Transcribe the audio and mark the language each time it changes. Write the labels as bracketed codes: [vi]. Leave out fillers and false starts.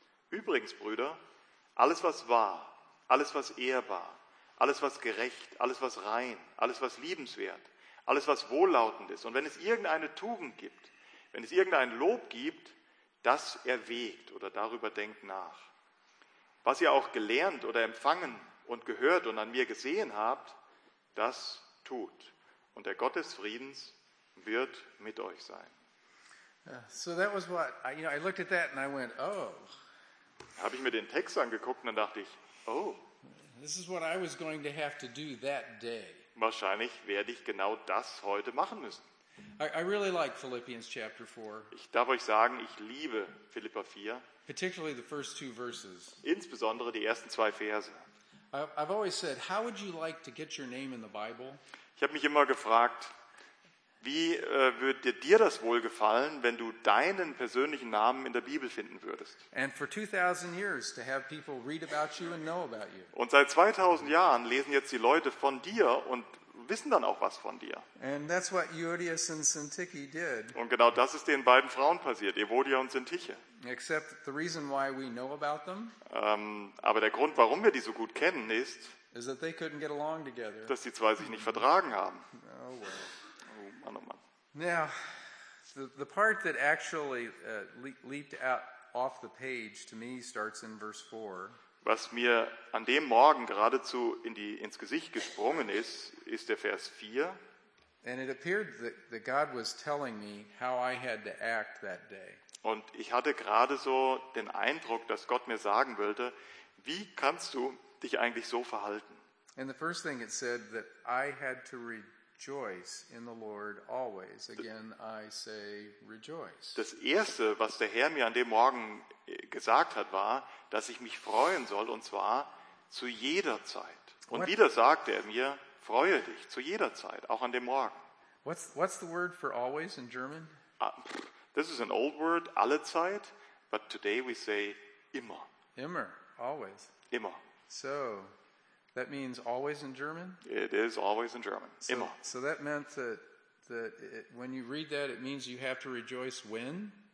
[de] Übrigens, Brüder, alles, was wahr, alles, was ehrbar, alles, was gerecht, alles, was rein, alles, was liebenswert, alles, was wohllautend ist, und wenn es irgendeine Tugend gibt, wenn es irgendein Lob gibt, das erwägt oder darüber denkt nach. Was ihr auch gelernt oder empfangen und gehört und an mir gesehen habt, das tut. Und der Gott des Friedens wird mit euch sein. [en] So that was what, you know, I looked at that and I went, oh. [de] Habe ich mir den Text angeguckt und dann dachte ich, oh. [en] This is what I was going to have to do that day. [de] Wahrscheinlich werde ich genau das heute machen müssen. [en] I really like Philippians chapter 4. [de] Ich darf euch sagen, ich liebe Philippa 4. [en] Particularly the first 2 verses. [de] Insbesondere die ersten 2 Verse. [en] I've always said, how would you like to get your name in the Bible? [de] Ich habe mich immer gefragt, wie würde dir das wohl gefallen, wenn du deinen persönlichen Namen in der Bibel finden würdest? [en] And for 2000 years to have people read about you and know about you. [de] Und seit 2000 Jahren lesen jetzt die Leute von dir und wissen dann auch was von dir. [en] And that's what Euodias and Syntyche did. [de] Und genau das ist den beiden Frauen passiert, Euodia und Syntyche. [en] Except the reason why we know about them, [de] aber der Grund, warum wir die so gut kennen, ist, [en] is that they couldn't get along together. [de] Dass die zwei sich nicht vertragen haben. [en] Oh, well. [de] Oh Mann, oh Mann. [en] Now, the part that actually leaped out off the page to me starts in verse 4. [de] Was mir an dem Morgen geradezu ins Gesicht gesprungen ist, ist der Vers 4. [en] And it appeared that God was telling me how I had to act that day. [de] Und ich hatte gerade so den Eindruck, dass Gott mir sagen wollte, wie kannst du dich eigentlich so verhalten? [en] And the first thing it said that I had to rejoice in the Lord always. Again, I say rejoice. [de] Das erste, was der Herr mir an dem Morgen gesagt hat, war, dass ich mich freuen soll, und zwar zu jeder Zeit. Und wieder sagte er mir, freue dich zu jeder Zeit, auch an dem Morgen. [en] What's the word for always in German? This is an old word, [de] alle Zeit, [en] but today we say immer. [de] Immer, always. Immer. [en] So, that means always in German? It is always in German, so, [de] immer. [en] So that meant that when you read that, it means you have to rejoice when?